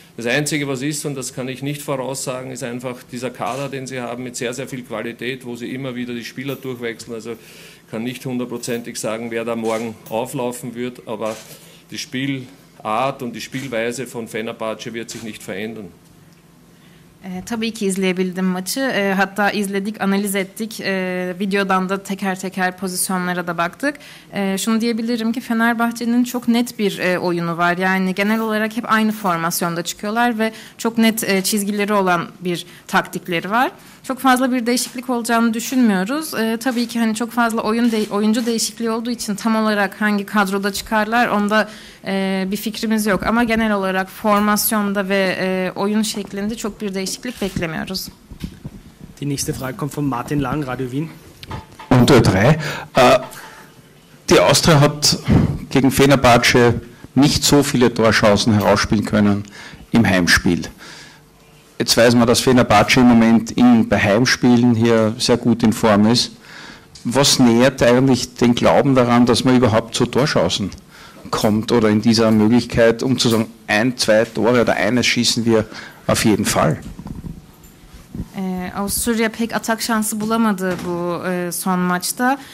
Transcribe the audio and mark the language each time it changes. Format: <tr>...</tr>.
<de>Das Einzige, was ist, und das kann ich nicht voraussagen, ist einfach dieser Kader, den sie haben, mit sehr, sehr viel Qualität, wo sie immer wieder die Spieler durchwechseln. Also kann nicht hundertprozentig sagen, wer da morgen auflaufen wird, aber die Spielart und die Spielweise von Fenerbahçe wird sich nicht verändern.</de> <tr>Tabii ki izleyebildim maçı. Hatta izledik, analiz ettik. Videodan da teker teker pozisyonlara da baktık. Şunu diyebilirim ki Fenerbahçe'nin çok net bir oyunu var. Yani genel olarak hep aynı formasyonda çıkıyorlar ve çok net çizgileri olan bir taktikleri var. Çok fazla bir değişiklik olacağını düşünmüyoruz. Tabii ki hani çok fazla oyuncu değişikliği olduğu için tam olarak hangi kadroda çıkarlar onda bir fikrimiz yok. Ama genel olarak formasyonda ve oyun şeklinde çok bir değişiklik beklemiyoruz.</tr> <de>Die nächste Frage kommt von Martin Lang, Radio Wien. Und drei. Die Austria hat gegen Fenerbahçe nicht so viele Torchancen herausspielen können im Heimspiel. Jetzt weiß man, dass Fenerbahçe im Moment bei Heimspielen hier sehr gut in Form ist. Was nährt eigentlich den Glauben daran, dass man überhaupt zu Torchancen kommt oder in dieser Möglichkeit, um zu sagen, ein, zwei Tore oder eines schießen wir auf jeden Fall?</de> <tr>Avusturya pek atak şansı bulamadı bu son maçta.</tr>